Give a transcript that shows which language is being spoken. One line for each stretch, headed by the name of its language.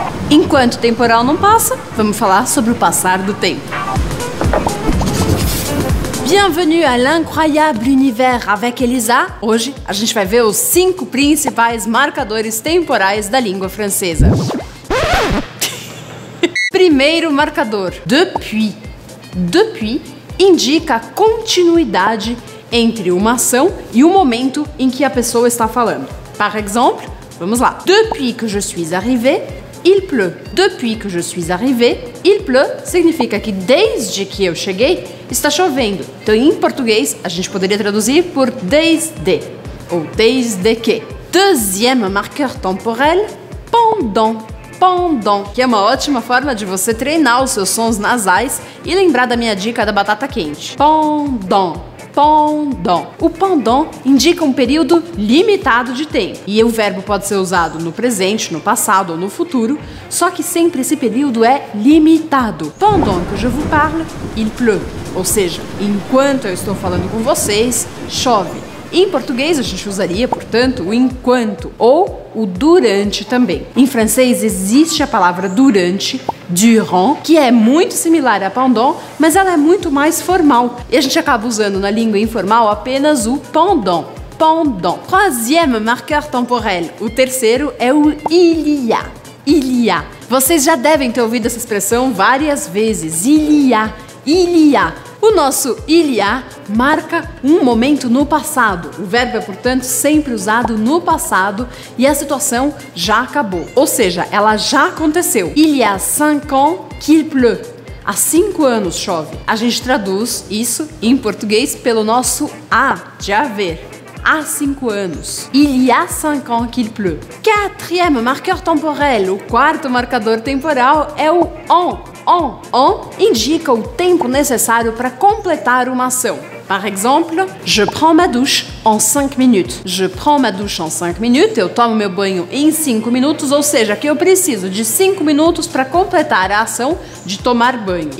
Portuguese: enquanto o temporal não passa, vamos falar sobre o passar do tempo.
French: Bienvenue à l'incroyable univers avec Elisa.
Portuguese: Hoje, a gente vai ver os 5 principais marcadores temporais da língua francesa. Primeiro marcador, depuis. Depuis indica a continuidade entre uma ação e o momento em que a pessoa está falando.
French: Par exemple,
Portuguese: vamos lá.
French: Depuis que je suis arrivé, il pleut. Depuis que je suis arrivé, il pleut
Portuguese: significa que desde que eu cheguei, está chovendo. Então, em português, a gente poderia traduzir por desde ou desde que.
French: Deuxième marqueur temporel, pendant.
Portuguese: Pendant, que é uma ótima forma de você treinar os seus sons nasais e lembrar da minha dica da batata quente. Pendant. Pendant. O pendant indica um período limitado de tempo. E o verbo pode ser usado no presente, no passado ou no futuro, só que sempre esse período é limitado.
French: Pendant que je vous parle, il pleut.
Portuguese: Ou seja, enquanto eu estou falando com vocês, chove. Em português, a gente usaria, portanto, o enquanto ou o durante também. Em francês, existe a palavra durante, durant, que é muito similar a pendant, mas ela é muito mais formal. E a gente acaba usando na língua informal apenas o pendant.
French: Pendant. Troisième marqueur temporel.
Portuguese: O terceiro é o il y a. Il y a. Vocês já devem ter ouvido essa expressão várias vezes. Il y a. Il y a. O nosso il y a marca um momento no passado. O verbo é, portanto, sempre usado no passado e a situação já acabou. Ou seja, ela já aconteceu.
French: Il y a 5 ans qu'il pleut.
Portuguese: Há 5 anos chove. A gente traduz isso em português pelo nosso a de haver. Há 5 anos. Il y a 5 ans qu'il pleut.
French: Quatrième marqueur temporel.
Portuguese: O quarto marcador temporal é o on. On, on indica o tempo necessário para completar uma ação.
French: Par exemple, je prends ma douche en 5 minutes. Je prends ma douche en 5 minutes.
Portuguese: Eu tomo meu banho em 5 minutos, ou seja, que eu preciso de 5 minutos para completar a ação de tomar banho.